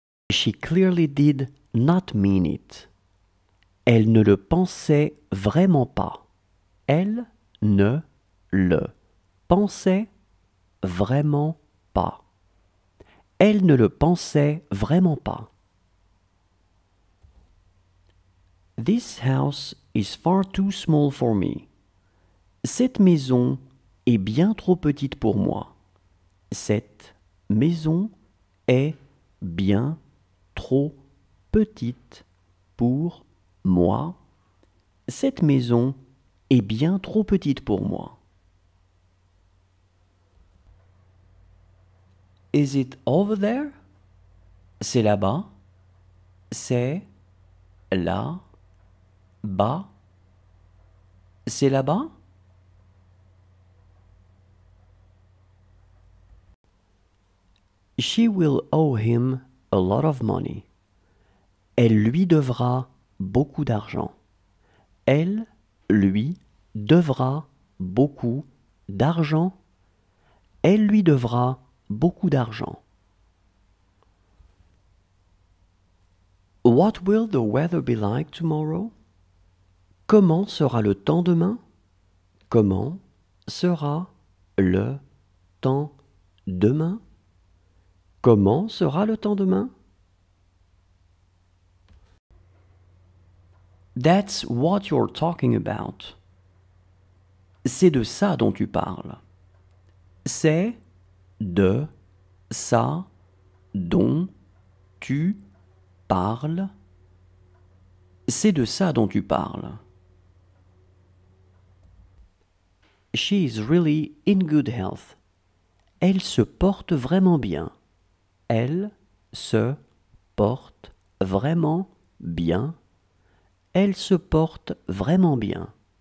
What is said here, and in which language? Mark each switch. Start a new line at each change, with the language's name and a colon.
English: She clearly did not mean it.
French: Elle ne le pensait vraiment pas. Elle ne le pensait vraiment pas. Elle ne le pensait vraiment pas.
English: This house is far too small for me.
French: Cette maison est bien trop petite pour moi. Cette maison est bien trop petite pour moi. Cette maison est bien trop petite pour moi.
English: Is it over there?
French: C'est là-bas. C'est là-bas. C'est là-bas.
English: She will owe him a lot of money.
French: Elle lui devra beaucoup d'argent. Elle lui devra beaucoup d'argent. Elle lui devra beaucoup d'argent.
English: What will the weather be like tomorrow?
French: Comment sera le temps demain? Comment sera le temps demain? Comment sera le temps demain?
English: That's what you're talking about.
French: C'est de ça dont tu parles. C'est de ça dont tu parles. C'est de ça dont tu parles.
English: She is really in good health.
French: Elle se porte vraiment bien. Elle se porte vraiment bien. Elle se porte vraiment bien.